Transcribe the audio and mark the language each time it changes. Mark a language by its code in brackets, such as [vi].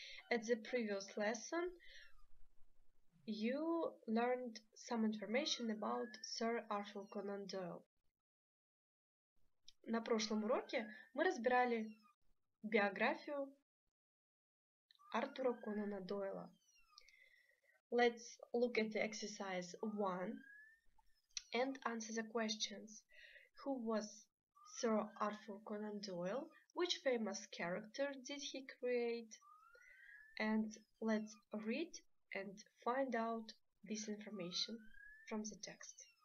[en] At the previous lesson, you learned some information about Sir Arthur Conan Doyle. [ru] На прошлом уроке мы разбирали биографию Артура Конана Дойла. [en] Let's look at the exercise 1 and answer the questions. Who was Sir Arthur Conan Doyle? Which famous character did he create? And let's read and find out this information from the text.